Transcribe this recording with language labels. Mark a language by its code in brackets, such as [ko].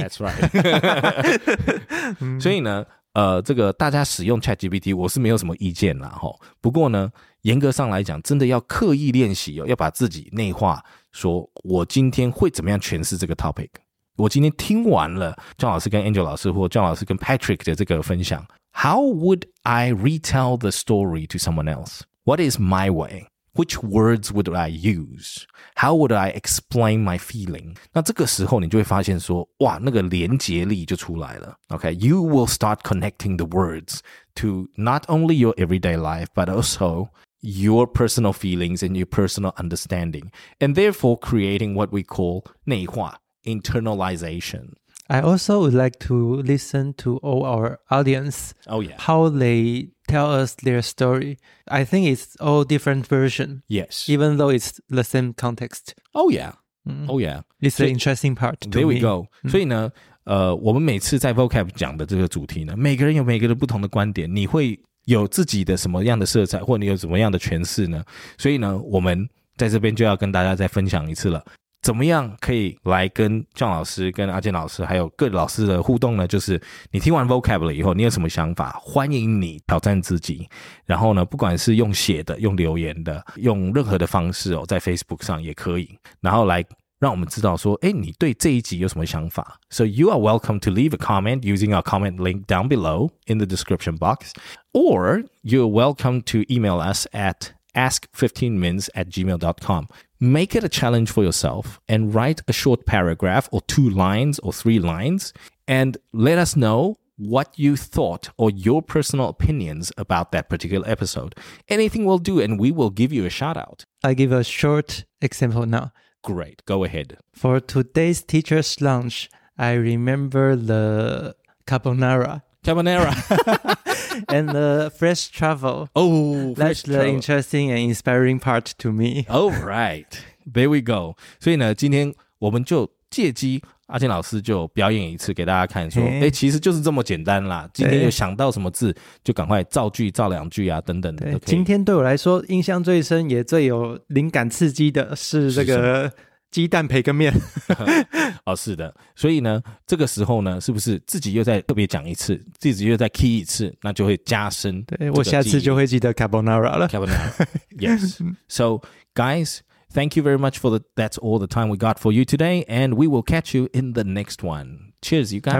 [en] Oh, that's right。 [zh] 所以呢这个大家使用 ChatGPT 我是没有什么意见啦齁，不过呢严格上来讲真的要刻意练习，要把自己内化，说我今天会怎么样诠释这个 topic，我今天听完了 John 老师跟 Angel 老师或 John 老师跟 Patrick 的这个分享， [en] How would I retell the story to someone else? What is my way? Which words would I use? How would I explain my feeling? [zh] 那这个时候你就会发现说，哇，那个连结力就出来了。 [en] OK, you will start connecting the words to not only your everyday life, but also your personal feelings and your personal understanding, and therefore creating what we call 内化internalization. I also would like to listen to all our audience. Oh yeah, how they tell us their story. I think it's all different version. Yes, even though it's the same context. Oh yeah,mm. Oh yeah, it's the interesting part. There we go.、 Mm. [zh] 所以呢，我们每次在 vocab 讲的这个主题呢，每个人有每个人不同的观点，你会有自己的什么样的色彩，或你有什么样的诠释呢？所以呢，我们在这边就要跟大家再分享一次了。怎么样可以来跟 John 老师跟阿健老师还有各老师的互动呢，就是你听完 vocab 了以后你有什么想法，欢迎你挑战自己，然后呢不管是用写的用留言的用任何的方式哦，在 Facebook 上也可以，然后来让我们知道说诶你对这一集有什么想法。 [en] So you are welcome to leave a comment using our comment link down below in the description box, or you're welcome to email us at ask15mins@gmail.com. Make it a challenge for yourself and write a short paragraph or two lines or three lines and let us know what you thought or your personal opinions about that particular episode. Anything will do and we will give you a shout out. I give a short example now. Great, go ahead. For today's teacher's lunch, I remember the carbonara. Carbonara. And the fresh travel. Oh, that's fresh travel. The interesting and inspiring part to me. Oh, right. There we go. [zh] 所以呢，今天我们就借机，阿健老师就表演一次给大家看，说，哎，其实就是这么简单啦。今天有想到什么字，就赶快造句、造两句啊，等等。对，今天对我来说印象最深也最有灵感刺激的是这个鸡蛋培根面。哦，是的，所以呢这个时候呢是不是自己又再特别讲一次，自己又再 key 一次，那就会加深。对，我下次就会记得 carbonara 了。 [en] carbonara. Yes. So guys, thank you very much for the, that's all the time we got for you today, and we will catch you in the next one. Cheers, you guys.